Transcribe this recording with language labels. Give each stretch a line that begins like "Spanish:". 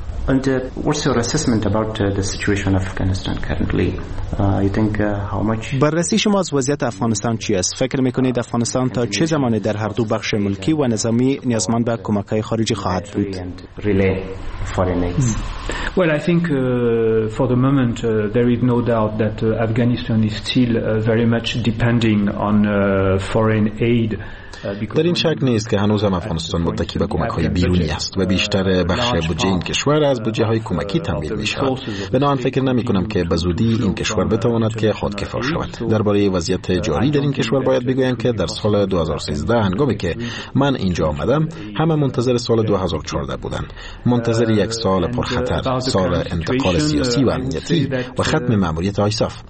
English: And what's your assessment about the situation of Afghanistan currently? You think how much
Persian: بررسی شما از وضعیت افغانستان چی است؟ فکر میکنید افغانستان تا چه زمانی در هر دو بخش ملکی و نظامی نیازمند به کمک های خارجی خواهد بود؟
English: Well, I think for the moment there is no doubt that Afghanistan is still very much depending on foreign aid.
Persian: در این شک نیست که هنوز هم افغانستان متکی به کمک‌های بیرونی است و بیشتر بخش بودجه این کشور از بودجه‌های کمکی تامین می‌شود. بنابراین فکر نمی‌کنم که به‌زودی این کشور بتواند که خودکفا شود. درباره وضعیت جاری در این کشور باید بگویم که در سال 2013 هنگامی که من اینجا آمدم، همه منتظر سال 2014 بودند، منتظر یک سال پرخطر، سال انتقال سیاسی و امنیتی و ختم ماموریت آیساف.